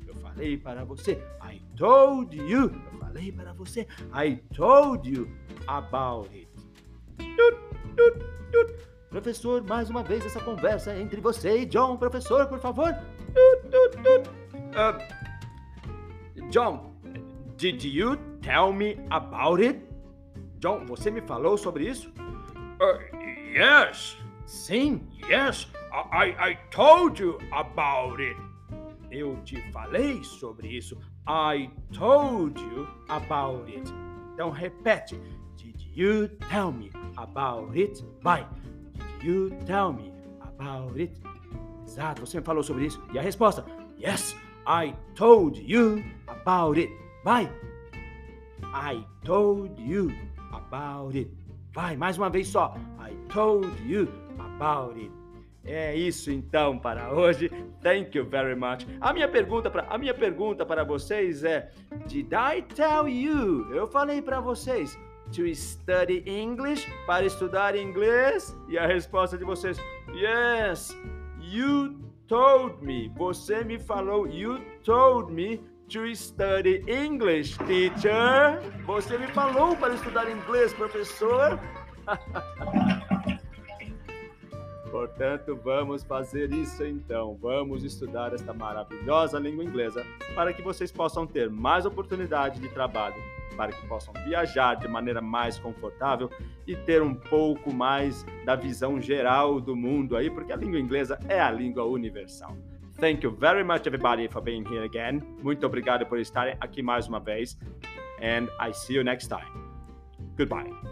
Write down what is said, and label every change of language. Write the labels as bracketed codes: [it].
[pt] Eu falei para você, [en] I told you. [pt] Eu falei para você, [en] I told you about it. [pt] Tut, tut, tut. Professor, mais uma vez essa conversa entre você e John. Professor, por favor. Tut, tut, tut. [en] John, did you tell me about it? [pt] John, você me falou sobre isso? [en] Yes. [pt] Sim? [en] Yes, I told you about it. [pt] Eu te falei sobre isso. [en] I told you about it. [pt] Então repete. [en] Did you tell me about it? [pt] Vai. [en] Did you tell me about it? [pt] Exato, você me falou sobre isso. E a resposta? [en] Yes, I told you about it. [pt] Vai. [en] I told you about it. [pt] Vai, mais uma vez só. [en] I told you about it. [pt] É isso então para hoje. [en] Thank you very much. [pt] A minha pergunta para vocês é: [en] Did I tell you? [pt] Eu falei para vocês. [en] To study English, [pt] para estudar inglês? E a resposta de vocês, [en] yes, you told me, [pt] você me falou, [en] you told me to study English, teacher. [pt] Você me falou para estudar inglês, professor. Portanto, vamos fazer isso então. Vamos estudar esta maravilhosa língua inglesa para que vocês possam ter mais oportunidade de trabalho, para que possam viajar de maneira mais confortável e ter um pouco mais da visão geral do mundo aí, porque a língua inglesa é a língua universal. [en] Thank you very much, everybody, for being here again. [pt] Muito obrigado por estarem aqui mais uma vez. [en] And I see you next time. Goodbye.